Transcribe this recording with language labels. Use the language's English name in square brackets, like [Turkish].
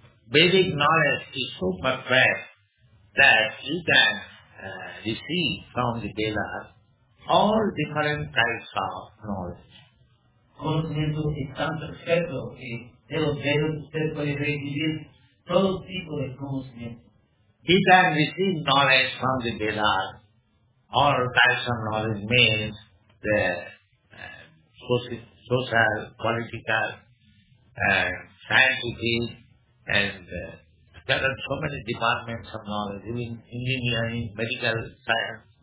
[English] Vedic knowledge is so perfect that you can receive from the Veda all different types of knowledge. [Spanish] Conocimiento es tan perfecto que de los dedos usted puede recibir todo tipo de conocimiento. [English] He can receive knowledge from the Vedas. All types of knowledge means the social, political, scientific, and there are so many departments of knowledge, even engineering, medical science.